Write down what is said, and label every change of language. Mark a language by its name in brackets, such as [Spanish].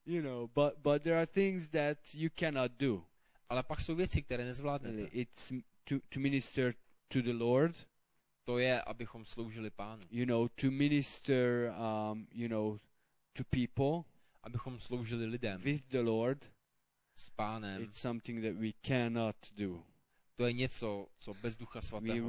[English] You know, but there are things that you cannot do. [Czech] Ale pak jsou věci, které nezvládnete. [English] It's to minister to the Lord. [Czech] To je, abychom sloužili Pánu. [English] You know, to minister, you know, to people. [Czech] Abychom sloužili lidem. [English] With the Lord. [Czech] S Pánem. [English] It's something that we cannot do. [Czech] To je něco, co bez Ducha Svatého